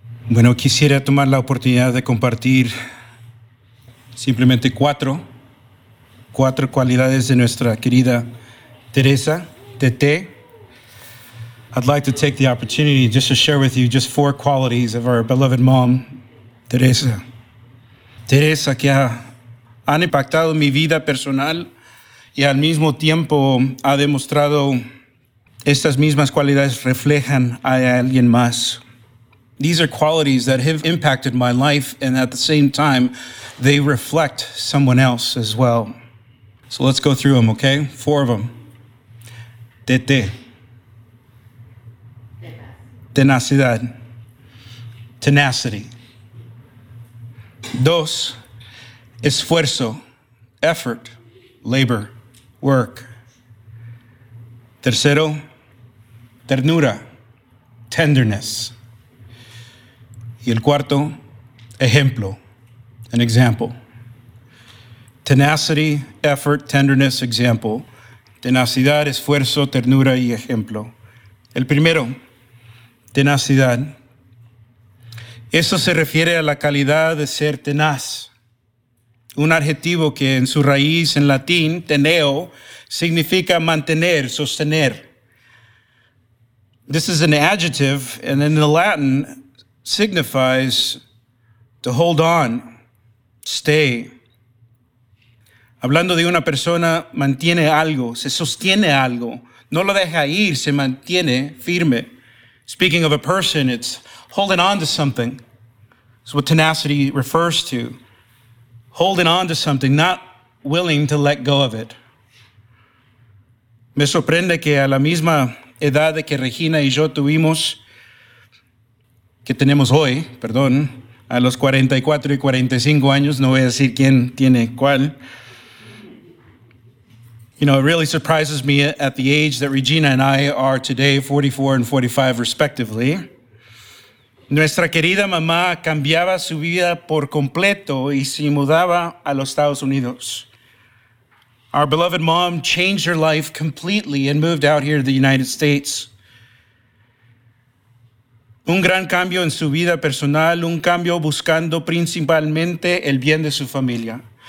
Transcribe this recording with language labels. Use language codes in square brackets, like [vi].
[es] Bueno, quisiera tomar la oportunidad de compartir simplemente cuatro cualidades de nuestra querida Teresa, Tete. [en] I'd like to take the opportunity just to share with you just four qualities of our beloved mom, Teresa. [es] Teresa, que ha impactado mi vida personal y al mismo tiempo ha demostrado estas mismas cualidades reflejan a alguien más. [en] These are qualities that have impacted my life, and at the same time, they reflect someone else as well. So let's go through them, okay? Four of them. Tete. [es] Tenacidad. [en] Tenacity. [es] Dos. Esfuerzo. [en] Effort. Labor. Work. [es] Tercero. Ternura. [en] Tenderness. [es] Y el cuarto, ejemplo, [en] an example. Tenacity, effort, tenderness, example. [es] Tenacidad, esfuerzo, ternura y ejemplo. El primero, tenacidad. Eso se refiere a la calidad de ser tenaz. Un adjetivo que en su raíz en latín, teneo, significa mantener, sostener. [en] This is an adjective, and in the Latin, signifies to hold on, stay. [es] Hablando de una persona, mantiene algo, se sostiene algo, no lo deja ir, se mantiene firme. [en] Speaking of a person, it's holding on to something. It's what tenacity refers to. Holding on to something, not willing to let go of it. [es] Me sorprende que a la misma edad que Regina y yo tuvimos, que tenemos hoy, perdón, a los 44 y 45 años, no voy a decir quién tiene cuál. [en] You know, it really surprises me at the age that Regina and I are today, 44 and 45 respectively. [es] Nuestra querida mamá cambiaba su vida por completo y se mudaba a los Estados Unidos. [en] Our beloved mom changed her life completely and moved out here to the United States. [es] Un gran cambio en su vida personal, un cambio buscando principalmente el bien de su familia.